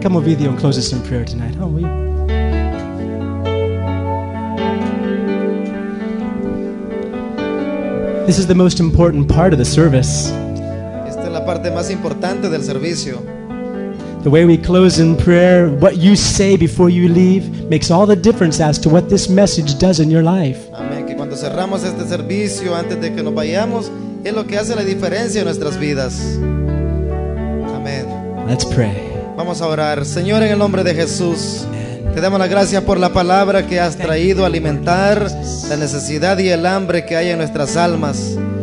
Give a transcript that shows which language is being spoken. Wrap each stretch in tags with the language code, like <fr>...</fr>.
<en>Come on, video, and close us in prayer tonight, huh? This is the most important part of the service.</en> <es>Esta es la parte más importante del servicio.</es> <en>The way we close in prayer, what you say before you leave, makes all the difference as to what this message does in your life.</en> <es>Amén. Que cuando cerramos este servicio antes de que nos vayamos, es lo que hace la diferencia en nuestras vidas. Amén.</es> <en>Let's pray.</en> <es>Vamos a orar. Señor, en el nombre de Jesús, te damos las gracias por la palabra que has traído a alimentar la necesidad y el hambre que hay en nuestras almas.</es>